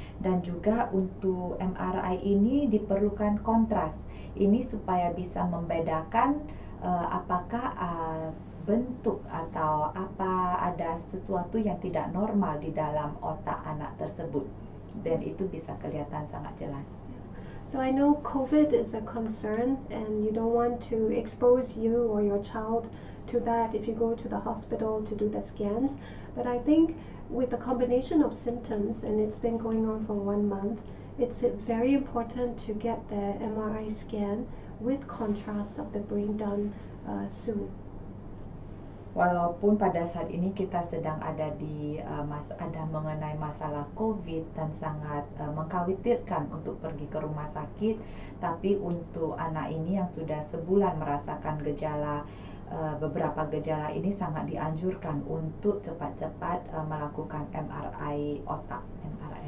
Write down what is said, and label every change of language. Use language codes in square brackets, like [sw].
[id] Dan juga untuk MRI ini diperlukan kontras. Ini supaya bisa membedakan apakah bentuk atau apa ada sesuatu yang tidak normal di dalam otak anak tersebut, dan itu bisa kelihatan sangat jelas. [en] So I know COVID is a concern, and you don't want to expose you or your child to that if you go to the hospital to do the scans. But I think with the combination of symptoms, and it's been going on for 1 month, it's very important to get the MRI scan with contrast of the brain done soon. [id] Walaupun pada saat ini kita sedang ada di ada mengenai masalah COVID dan sangat mengkhawatirkan untuk pergi ke rumah sakit, tapi untuk anak ini yang sudah sebulan merasakan gejala beberapa gejala ini sangat dianjurkan untuk cepat-cepat melakukan MRI otak.